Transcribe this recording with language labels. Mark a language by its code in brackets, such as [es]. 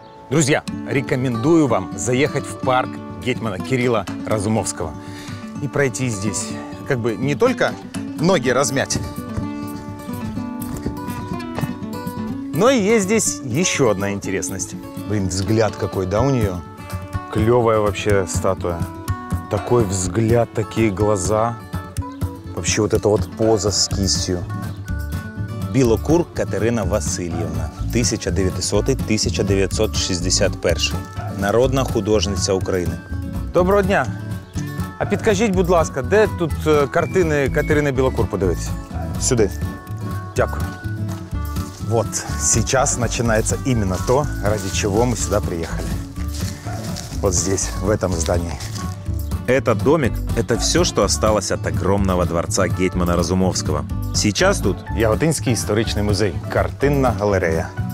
[ru] Друзья, рекомендую вам заехать в парк гетьмана Кирилла Разумовского и пройти здесь, как бы не только ноги размять, но и есть здесь еще одна интересность. Блин, взгляд какой, да, у нее? Клевая вообще статуя. Такой взгляд, такие глаза. Вообще вот эта вот поза с кистью. [uk] Білокур Катерина Васильевна, 1900-1961, народна художниця України. Доброго дня! А підкажіть, будь ласка, де тут картини Катерини Білокур подивитися? Сюди. Дякую. [ru] Вот, сейчас начинается именно то, ради чего мы сюда приехали. Вот здесь, в этом здании. Этот домик – это все, что осталось от огромного дворца гетьмана Разумовского. Сейчас тут Яготинский исторический музей, картинная галерея.